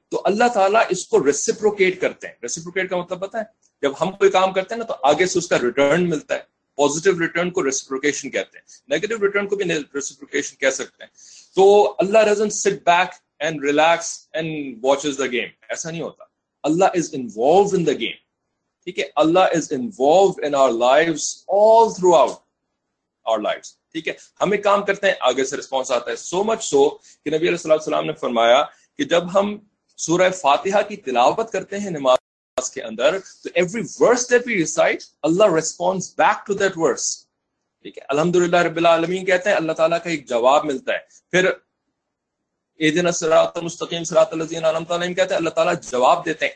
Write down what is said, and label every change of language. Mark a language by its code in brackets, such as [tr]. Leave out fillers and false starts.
[ur] تو اللہ تعالیٰ اس کو ریسیپروکیٹ کرتے ہیں. ریسیپروکیٹ کا مطلب پتا ہے, جب ہم کوئی کام کرتے ہیں نا تو آگے سے اس کا ریٹرن ملتا ہے. پوزیٹو ریٹرن کو ریسیپروکیشن کہتے ہیں, نیگیٹو ریٹرن کو بھی ریسیپروکیشن کہہ سکتے ہیں. [en] تو Allah doesn't sit back and relax and watches the game, [ur] ایسا نہیں ہوتا. [en] Allah is involved in the game, [ur] ٹھیک ہے, [en] Allah is involved in our lives all throughout our lives, ٹھیک ہے. [ur] ہمیں کام کرتے ہیں, آگے سے ریسپانس آتا ہے. [en] so much so [ur] کہ نبی علیہ السلام نے فرمایا کہ جب ہم سورہ فاتحہ کی تلاوت کرتے ہیں نماز کے اندر, تو [en] every verse that we recite Allah responds back to that verse, [ur] ٹھیک ہے. [ar] الحمدللہ رب العالمین [ur] کہتے ہیں, اللہ تعالیٰ کا ایک جواب ملتا ہے. پھر [ar] اہدنا الصراط المستقیم صراط الذین انعمت علیہم [ur] کہتے ہیں, اللہ تعالیٰ جواب دیتے ہیں.